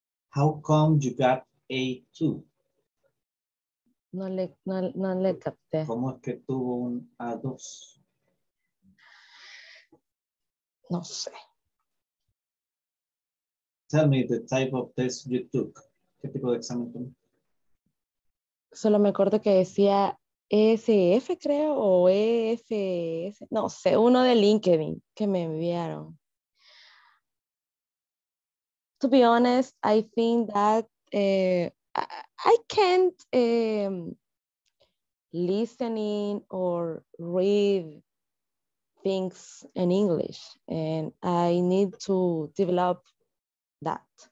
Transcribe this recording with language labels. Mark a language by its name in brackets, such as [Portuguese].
[English] How come you got A2? [Spanish] No le capté. ¿Cómo es que tuvo un A2? No sé. [English] Tell me the type of test you took. [Spanish] ¿Qué tipo de examen tomó? Solo me acuerdo que decía ESF, creo, o EFS. No sé, uno de LinkedIn que me enviaron. [English] To be honest, I think that I can't listening or read things in English. And I need to develop that.